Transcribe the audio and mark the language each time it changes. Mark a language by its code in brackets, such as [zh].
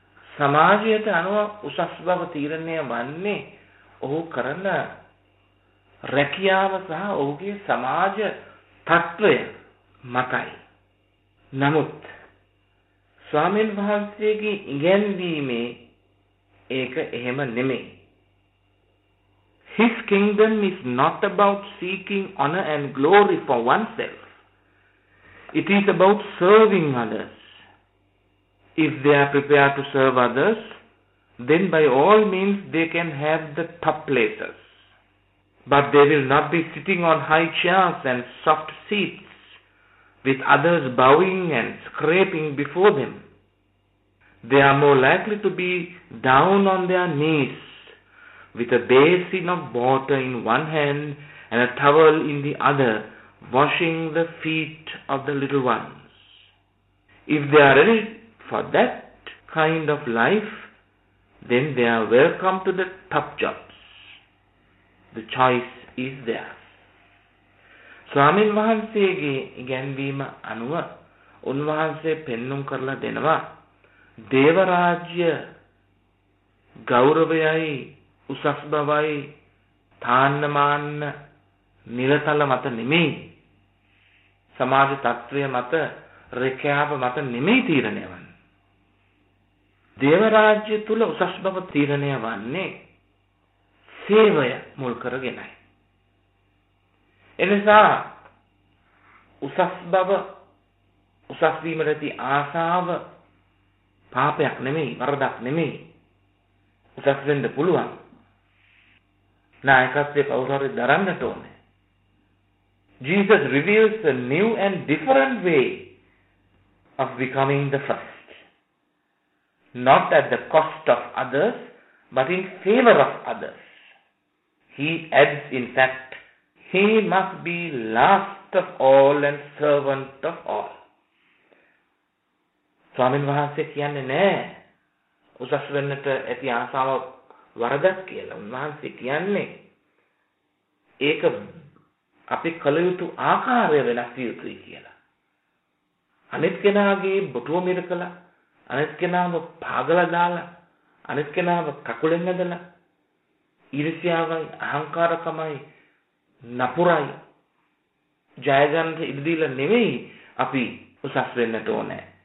[si] සමාජයට අනුව උසස් බව තීරණය වන්නේ ඔහු කරන රැකියාව සහ ඔහුගේ සමාජ තත්ත්වය මතයි. නමුත් ස්වාමීන් වහන්සේගේ ඉගැන්වීමේ ඒක එහෙම නෙමෙයි. [en] His kingdom is not about seeking honor and glory for oneself. It is about serving others. If they are prepared to serve others, then by all means they can have the top places. But they will not be sitting on high chairs and soft seats with others bowing and scraping before them. They are more likely to be down on their knees with a basin of water in one hand and a towel in the other, washing the feet of the little ones. If they are ready for that kind of life, then they are welcome to the top jobs. The choice is theirs. [si] Swamin Vahansege Iganvima Anuva Unvahanse Pennum Karla Denava Devarajya Gauravayai උසස් බවයි තාන්නමාන්න නිලතල මත නෙමෙයි, සමාජ තත්ත්වය මත, රැකියාව මත නෙමෙයි තීරණය වන්නේ. දේවරාජ්‍ය තුල උසස් බව තීරණය වන්නේ සේවය මුල් කරගෙනයි. එනිසා උසස් බව, උසස් වීමේදී ආශාව පාපයක් නෙමෙයි, වරදක් නෙමෙයි. උසස් වෙන්න පුළුවන්, නායකත්වයේ කවුරුහරි දරන්නට ඕනේ. [en] Jesus reveals a new and different way of becoming the first. Not at the cost of others, but in favor of others. He adds, in fact, he must be last of all and servant of all. [si] ස්වාමීන් වහන්සේ කියන්නේ නෑ උසස් වෙන්නට ඇති ආසාව වරදක් කියලා. උන්වහන්සේ කියන්නේ ඒක අපි කළ යුතු ආකාරය වෙනස් විය යුතුයි කියලා. අනිත් කෙනාගේ බොටුව මිරකලා, අනිත් කෙනාව පාගල දාලා, අනිත් කෙනාව කකුලෙන් ඇදලා, ඊර්ෂ්‍යාවයි අහංකාරකමයි නපුරයි ජය ගන්න ඉබදීලා නෙවෙයි අපි උසස් වෙන්නට ඕනේ.